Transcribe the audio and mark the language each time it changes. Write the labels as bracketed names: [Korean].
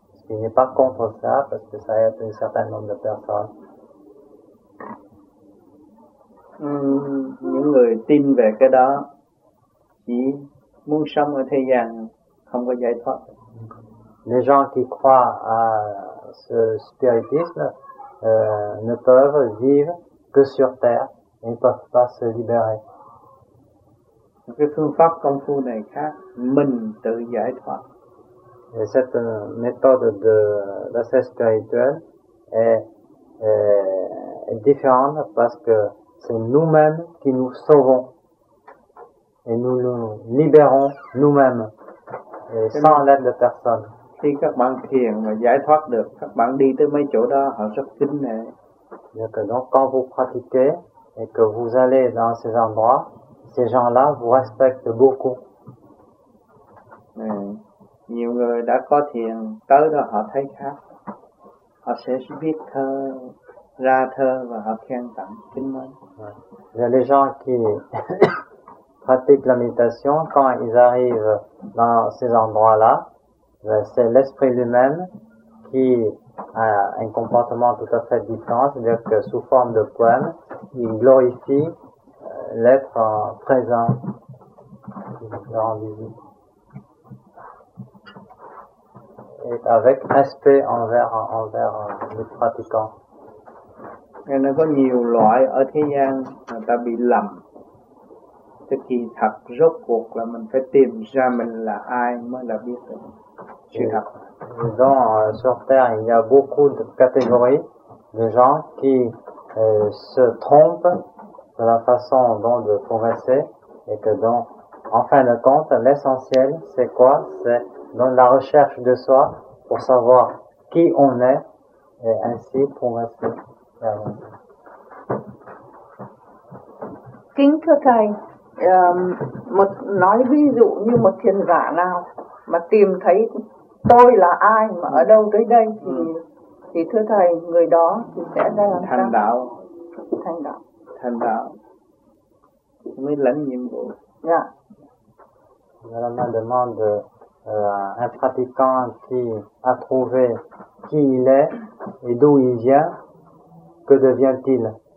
[French] Il n'est pas contre ça parce que ça aide un certain nombre de personnes. [Vietnamese] Những người tin về cái đó chỉ muốn sống ở thế gian không có giải thoát. [French] Les gens qui croient à ce spiritisme ne peuvent vivre que sur terre et ne peuvent pas se libérer. [Vietnamese] Cái phương pháp công phu này khác, mình tự giải thoát. [French] Et cette méthode de l'accès spirituel est différente parce que c'est nous-mêmes qui nous sauvons et nous nous libérons nous-mêmes et sans l'aide de personne. [Vietnamese] Khi các bạn thiền mà giải thoát được, các bạn đi tới mấy chỗ đó, họ rất kính nể. [French] Donc, quand vous pratiquez et que vous allez dans ces endroits, ces gens-là vous respectent beaucoup. [Vietnamese] Nhiều người đã có thiền, tới đó họ thấy khác. Họ sẽ viết thơ, ra thơ và họ khen tặng kính mến. [French] Les gens qui pratiquent la méditation, quand ils arrivent dans ces endroits-là, c'est l'esprit lui-même qui a un comportement tout à fait différent, c'est-à-dire que sous forme de poème, il glorifie l'être présent, qui le rend visible. est avec respect envers le pratiquant. [Vietnamese] Nên nó có nhiều loại ở thế gian người ta bị lầm. Thế kỳ thật rốt cuộc là mình phải tìm ra mình là ai mới là biết được sự thật. [French] Disons, sur Terre, il y a beaucoup de catégories de gens qui se trompent de la façon dont de progresser et que donc, en fin de compte, l'essentiel, c'est quoi? C'est dans la recherche de soi pour savoir qui on est et ainsi progresser. [Vietnamese] Kính thưa thầy, một nói ví dụ như một thiền giả nào mà tìm thấy tôi là ai mà ở đâu tới đây thì thưa thầy người đó thì sẽ ra làm sao? Thành đạo mới lãnh nhiệm vụ. Dạ. [French] Normalement demande un pratiquant qui a trouvé qui il est et d'où il vient. Que devient-il?